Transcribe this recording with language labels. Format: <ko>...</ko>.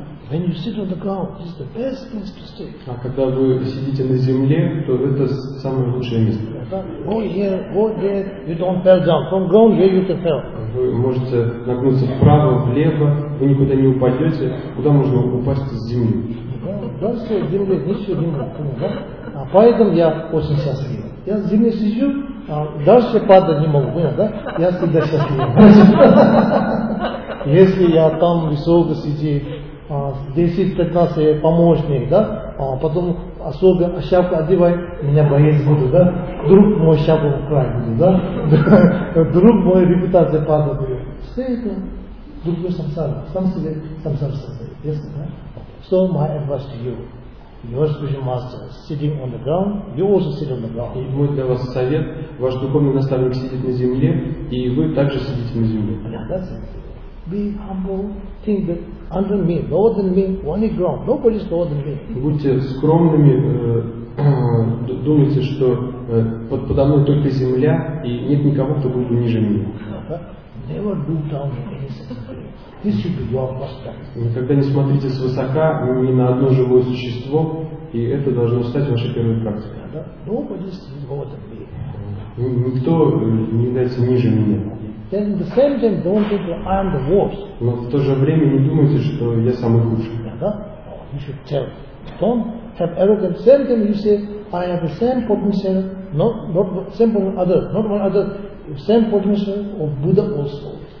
<en>When you sit on the ground, it's the best place to stay.</en> <ru>А когда вы сидите на земле, то это самое лучшее место.</ru> <en>Go here, go there. You don't fall down. From ground, where you can fall?</en> <ru>Вы можете нагнуться вправо, влево. Вы никуда не упадете. Куда можно упасть с земли?</ru> <en>Don't say</en> <ru>земле, ничего земле. А поэтому я очень счастлив. Я с земли сижу, а дальше падать не могу, да? Я всегда счастлив. Если я там высоко сижу, 10-15 помощник, да? А потом особо шапку одевай, меня боец буду, да? Вдруг мой шапку украдут, да? Вдруг моя репутация падает. Все это другой самсара. Сам себе самсар создает. Ясно, да?</ru> <en>So my advice to you. Your spiritual master sitting on the ground, you also sit on the ground.</en> <ru>И мой для вас совет. Ваш духовный наставник сидит на земле, и вы также сидите на земле.</ru> <en>Be humble, think that under me, lower than me, only ground, nobody's lower than me.</en> <ru>Будьте скромными, думайте, что подо мной только земля, и нет никого, кто будет ниже меня.</ru> <en>Never look down on anything. This should be your perspective.</en> <ru>Никогда не смотрите свысока ни на одно живое существо, и это должно стать вашей первой практикой.</ru> <en>Nobody's lower than me.</en> <ru>Никто не является ниже меня.</ru> <en>Then at the same time, don't think I am the worst.</en> <ru>Но в то же время не думайте, что я самый худший.</ru> <en>Да? You should tell. Don't have arrogant. Same time you say, I have the same potential, not same potential other, not one other, same potential of Buddha also.</en>